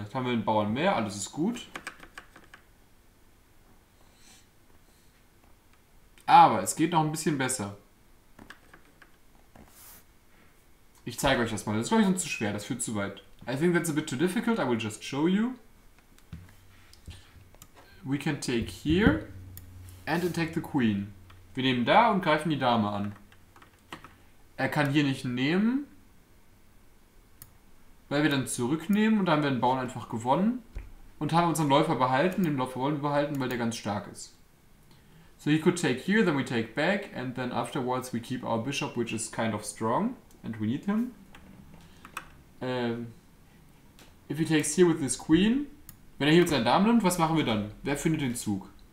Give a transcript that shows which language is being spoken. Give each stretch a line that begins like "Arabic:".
German: Jetzt haben wir einen Bauern mehr, alles ist gut. Aber es geht noch ein bisschen besser. Ich zeige euch das mal. Das ist, glaube ich, sonst zu schwer. Das führt zu weit.
English: I think that's a bit too difficult. I will just show you. We can take here and attack the queen.
German: Wir nehmen da und greifen die Dame an. Er kann hier nicht nehmen, weil wir dann zurücknehmen und dann haben wir den Bauern einfach gewonnen und haben unseren Läufer behalten, den Läufer wollen wir behalten, weil der ganz stark ist.
English: So he could take here, then we take back and then afterwards we keep our bishop, which is kind of strong and we need him. If he takes here with this queen,
German: wenn er hier mit seiner Dame nimmt, was machen wir dann? Wer findet den Zug?